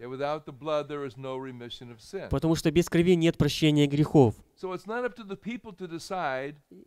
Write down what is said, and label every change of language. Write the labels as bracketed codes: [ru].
[en] And without the blood, there is no remission of sin. [ru] Потому что без крови нет прощения грехов. [en] So it's not up to the people to decide.